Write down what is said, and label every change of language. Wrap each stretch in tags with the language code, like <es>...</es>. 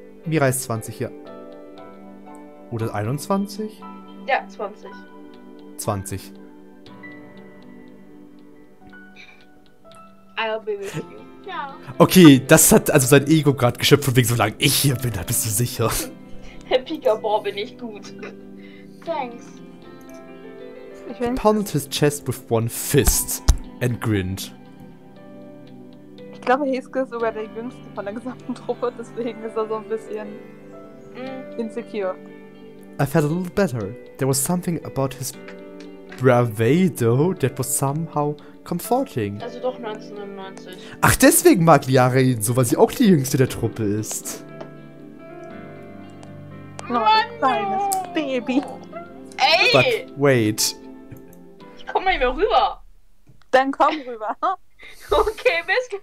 <de>Mira ist 20, ja. Oder 21? Ja, 20. 20.</de> <en>I'll be with you. Ja.</en> <de>Okay, das hat also sein Ego gerade geschöpft, von wegen, solange ich hier bin, da bist du sicher. Herr Pika, boah, bin ich gut. Thanks.</de> <en>He pounded his chest with one fist and grinned.</en> <de>Ich glaube, Heisuke ist sogar der jüngste von der gesamten Truppe, deswegen ist er so ein bisschen insecure.</de> <en>I felt a little better. There was something about his bravado that was somehow comforting.</en> <de>Also doch 1999. Ach, deswegen mag Liara ihn so, weil sie auch die jüngste der Truppe ist. Oh, kleines Baby. Ey!</de> <en>But wait.</en> <de>Ich komm mal hier rüber. Dann komm rüber. Okay, Miske,</de>